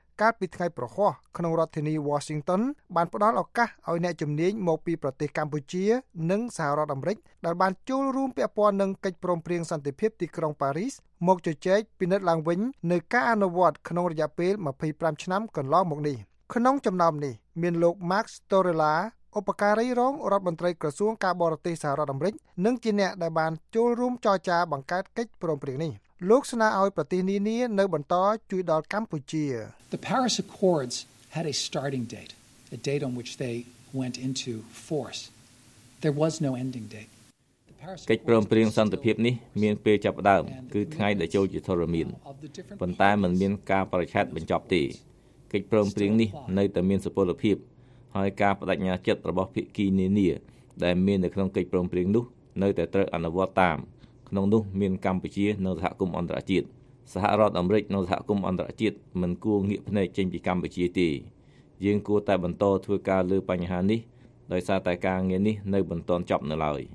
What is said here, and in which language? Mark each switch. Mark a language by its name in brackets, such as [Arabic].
[Khmer] កាលពីថ្ងៃប្រហ័សក្នុងរដ្ឋធានី Washington បានផ្តល់ឱកាសឲ្យអ្នកជំនាញមកពីប្រទេសកម្ពុជានិងសហរដ្ឋអាមេរិកដែលបានចូលរួមពាក់ព័ន្ធនឹងកិច្ចព្រមព្រៀងសន្តិភាពទីក្រុងប៉ារីសមកជជែកពិនិត្យឡើងវិញនៅការអនុវត្តក្នុងរយៈពេល25ឆ្នាំកន្លងមកនេះក្នុងចំណោមនេះមានលោក Max Torella ឧបការីរងរដ្ឋមន្ត្រីក្រសួងការបរទេសសហរដ្ឋអាមេរិកនិងជាអ្នកដែលបានចូលរួមចរចាបង្កើតកិច្ចព្រមព្រៀងនេះលោកស្នើឲ្យប្រទេសនានានៅបន្តជួយដល់កម្ពុជា [English] The Paris Accords had a starting date, a date on which they went into force. There was no ending date. [Khmer] កិច្ចព្រមព្រៀងសន្តិភាពនេះមានពេលចាប់ផ្ដើមគឺថ្ងៃដែលចូលជាធរមានប៉ុន្តែมันមានការប្រឆាំងបញ្ចប់ទេកិច្ចព្រមព្រៀងនេះនៅតែមានសុពលភាពហើយការបដិញ្ញាចិត្តរបស់ភាគីនានាដែលមាននៅក្នុងកិច្ចព្រមព្រៀងនោះនៅតែត្រូវអនុវត្តតាមក្នុងនោះមានកម្ពុជានៅសហគមន៍អន្តរជាតិសហរដ្ឋអាមេរិកនៅសហគមន៍អន្តរជាតិមិនគួរងាកភ្នែកចេញពីកម្ពុជាទេយើងគួរតែបន្តធ្វើការលើបញ្ហានេះដោយសារតែការងារនេះនៅមិនទាន់ចប់នៅឡើយ